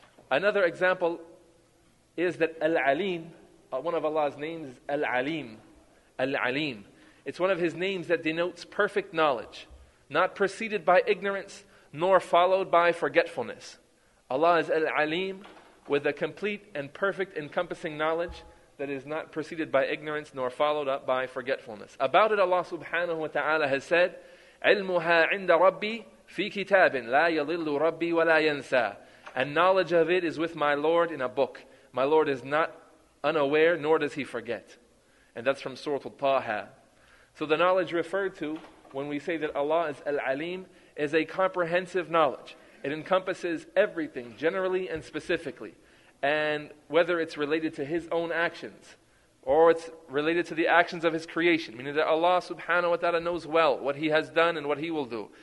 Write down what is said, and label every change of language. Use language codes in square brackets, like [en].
[en] Another example is that Al-Aleem, one of Allah's names is Al-Aleem. Al-Aleem. It's one of His names that denotes perfect knowledge, not preceded by ignorance, nor followed by forgetfulness. Allah is Al-Aleem with a complete and perfect encompassing knowledge that is not preceded by ignorance, nor followed up by forgetfulness. About it, Allah subhanahu wa ta'ala has said, [ar] عِلْمُهَا عِنْدَ رَبِّي فِي كِتَابٍ لَا يَلِلُّ رَبِّي وَلَا يَنْسَى. [en] And knowledge of it is with my Lord in a book. My Lord is not unaware, nor does He forget. And that's from Surah Al-Taha. So the knowledge referred to when we say that Allah is Al-Aleem is a comprehensive knowledge. It encompasses everything, generally and specifically. And whether it's related to His own actions, or it's related to the actions of His creation, meaning that Allah subhanahu wa ta'ala knows well what He has done and what He will do.